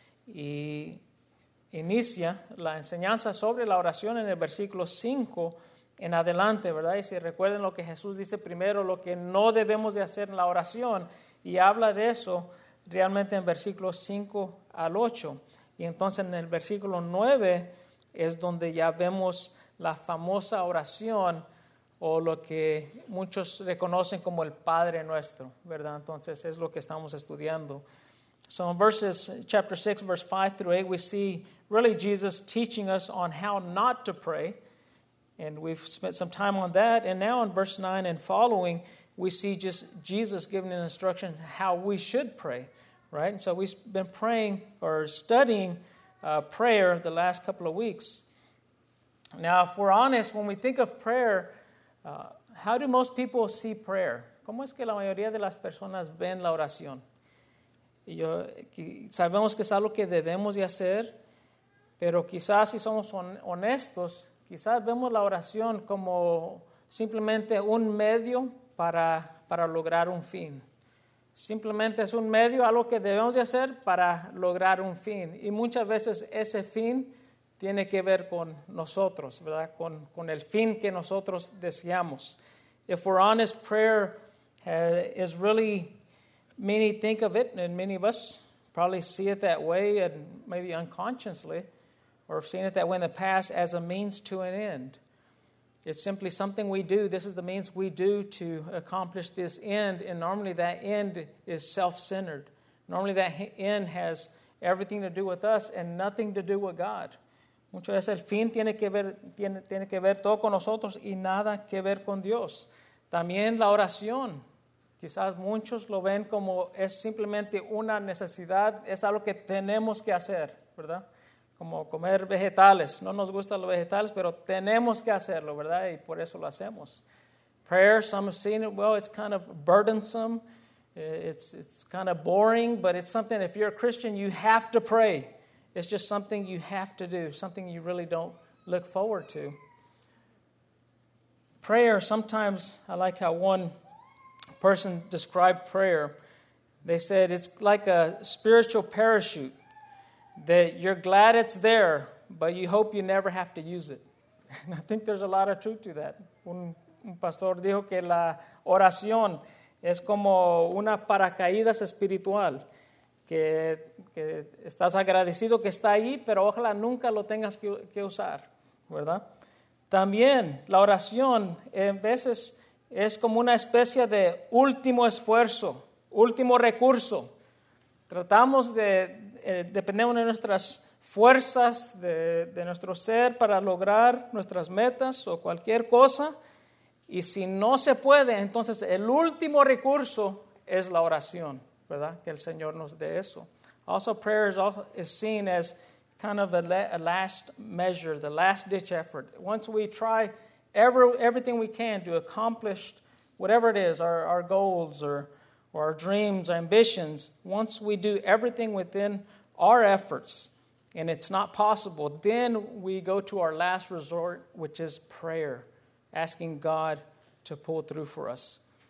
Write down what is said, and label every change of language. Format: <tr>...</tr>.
<es>Y inicia la enseñanza sobre la oración en el versículo 5 en adelante, ¿verdad? Y si recuerden lo que Jesús dice primero, lo que no debemos de hacer en la oración, y habla de eso realmente en versículos 5 al 8. Y entonces en el versículo 9 es donde ya vemos la famosa oración, o lo que muchos reconocen como el Padre Nuestro, ¿verdad? Entonces es lo que estamos estudiando.</es> <en>So in verses, chapter 6, verse 5 through 8, we see really Jesus teaching us on how not to pray. And we've spent some time on that. And now in verse 9 and following, we see just Jesus giving an instruction how we should pray, right? And so we've been praying or studying prayer the last couple of weeks. Now, if we're honest, when we think of prayer, how do most people see prayer?</en> <es>¿Cómo es que la mayoría de las personas ven la oración? Yo, sabemos que es algo que debemos de hacer, pero quizás si somos honestos, quizás vemos la oración como simplemente un medio para lograr un fin. Simplemente es un medio, algo que debemos de hacer para lograr un fin. Y muchas veces ese fin tiene que ver con nosotros, ¿verdad? Con el fin que nosotros deseamos.</es> <en>If we're honest, prayer is really, many think of it, and many of us probably see it that way, and maybe unconsciously, or have seen it that way in the past, as a means to an end. It's simply something we do. This is the means we do to accomplish this end, and normally that end is self-centered. Normally that end has everything to do with us and nothing to do with God.</en> <es>Muchas veces el fin tiene que ver todo con nosotros y nada que ver con Dios. También la oración. Quizás muchos lo ven como es simplemente una necesidad, es algo que tenemos que hacer, ¿verdad? Como comer vegetales. No nos gustan los vegetales, pero tenemos que hacerlo, ¿verdad? Y por eso lo hacemos.</es> <en>Prayer, some have seen it, well, it's kind of burdensome. It's kind of boring, but it's something, if you're a Christian, you have to pray. It's just something you have to do, something you really don't look forward to. Prayer, sometimes, I like how one person described prayer. They said it's like a spiritual parachute that you're glad it's there, but you hope you never have to use it. And I think there's a lot of truth to that.</en> <es>Un pastor dijo que la oración es como una paracaídas espiritual. Que estás agradecido que está ahí, pero ojalá nunca lo tengas que usar, ¿verdad? También la oración en veces es como una especie de último esfuerzo, último recurso. Tratamos de, dependemos de nuestras fuerzas, de nuestro ser para lograr nuestras metas o cualquier cosa. Y si no se puede, entonces el último recurso es la oración, ¿verdad? Que el Señor nos dé eso.</es> <en>Also, prayer is seen as kind of a last measure, the last ditch effort. Once we try everything we can to accomplish whatever it is, our goals or our dreams, ambitions, once we do everything within our efforts and it's not possible, then we go to our last resort, which is prayer, asking God to pull through for us.</en>